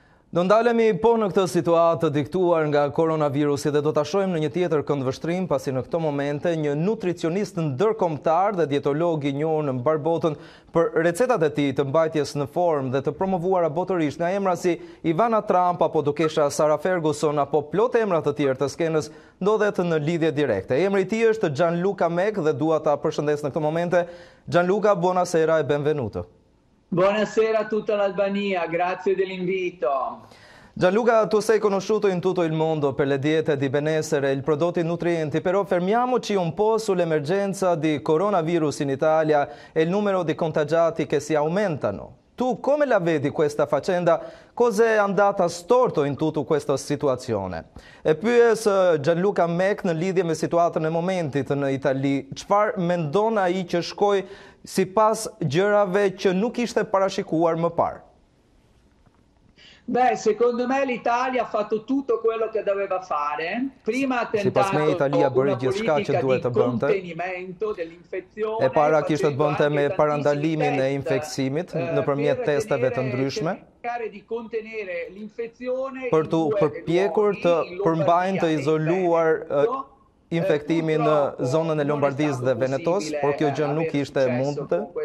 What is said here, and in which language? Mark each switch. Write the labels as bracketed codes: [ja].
[sq] Do ndalemi po në këtë situatë të diktuar nga koronavirusi dhe do ta shohim në një tjetër këndvështrim, pasi në këto momente një nutricionist ndërkombëtar dhe dietolog i njohur në mbar botën për recetat e tij të mbajtjes në formë dhe të promovuara botërisht nga emra si Ivana Trump apo Dukesha Sara Ferguson apo plot emra të tjerë të skenës ndodhet në lidhje direkte. Emri i tij është Gianluca Mek dhe dua ta përshëndes në këto momente. [it] Gianluca, buonasera e benvenuto. Buonasera a tutta l'Albania, grazie dell'invito. Gianluca, tu sei conosciuto in tutto il mondo per le diete di benessere e i prodotti nutrienti, però fermiamoci un po' sull'emergenza di coronavirus in Italia e il numero di contagiati che si aumentano. Tu come la vedi questa faccenda? Cos'è andata storto in tutta questa situazione? [sq] E poi Gianluca Mek në lidhje me situatën e momentit në Itali, çfarë mendon ai që shkoi si pas gjërave që nuk ishte parashikuar më parë? [it] Beh, secondo me l'Italia ha fatto tutto quello che doveva fare. Prima ha tentato [sq] sipas me Italia bëri gjithçka që duhet të bënte. [it] Contenimento dell'infezione. [sq] E para kishte të bënte me parandalimin e infeksimit nëpërmjet testeve të ndryshme. [it] Cercare di contenere l'infezione [sq] per tu përpjekur të përmbajnë të izoluar infektimin në zonën e Lombardisë dhe Venetos, por kjo gjë nuk ishte e mundur.